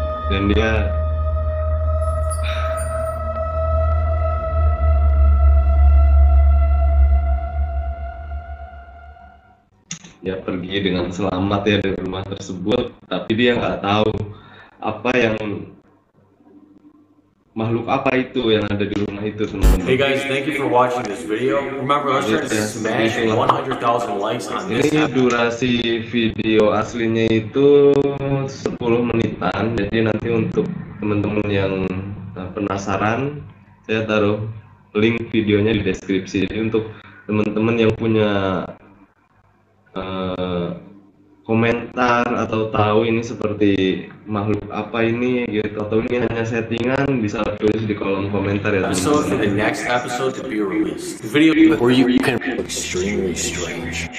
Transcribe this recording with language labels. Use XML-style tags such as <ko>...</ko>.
<id>Dan dia ya pergi dengan selamat ya dari rumah tersebut, tapi dia nggak tahu apa yang makhluk apa itu yang ada di rumah itu, teman-teman.</id> <en>Hey guys, thank you for watching this video. Remember, let's start to smash 100,000 likes on this.</en> <id>Ini durasi video aslinya itu 10 menitan. Jadi nanti untuk teman-teman yang penasaran, saya taruh link videonya di deskripsi. Jadi untuk teman-teman yang punya komentar atau tahu ini seperti makhluk apa ini gitu, atau ini hanya settingan, bisa tulis di kolom komentar ya.</id> <en>So for the next episode to be released, the video where you can look extremely strange.</en>